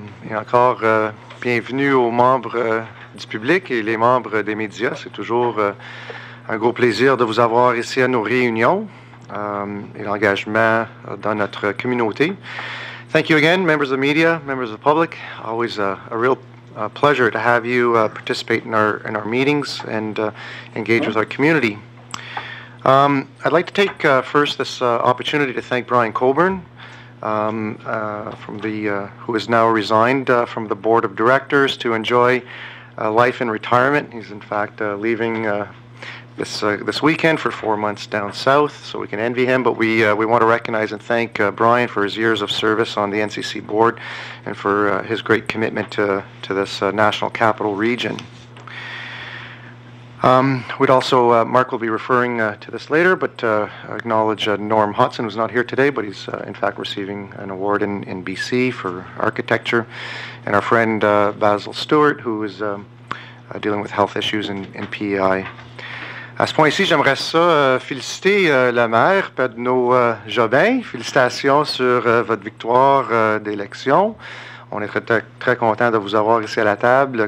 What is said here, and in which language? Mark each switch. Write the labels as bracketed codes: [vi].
[fr] Et encore, bienvenue aux membres du public et les membres des médias. C'est toujours un gros plaisir de vous avoir ici à nos réunions et l'engagement dans notre communauté. [en] Thank you again, members of the media, members of the public. Always a real pleasure to have you participate in our meetings and engage with our community. I'd like to take first this opportunity to thank Brian Colburn, who has now resigned from the Board of Directors to enjoy life in retirement. He's in fact leaving this weekend for 4 months down south, so we can envy him. But we want to recognize and thank Brian for his years of service on the NCC Board and for his great commitment to this National Capital Region. We'd also, Mark will be referring to this later, but acknowledge Norm Hodson, who's not here today, but he's in fact receiving an award in BC for architecture, and our friend Basil Stewart, who is dealing with health issues in PEI. [fr] À ce point-ci, j'aimerais ça féliciter la maire, Pedno Jobin. Félicitations sur votre victoire d'élection. On est très, très content de vous avoir ici à la table.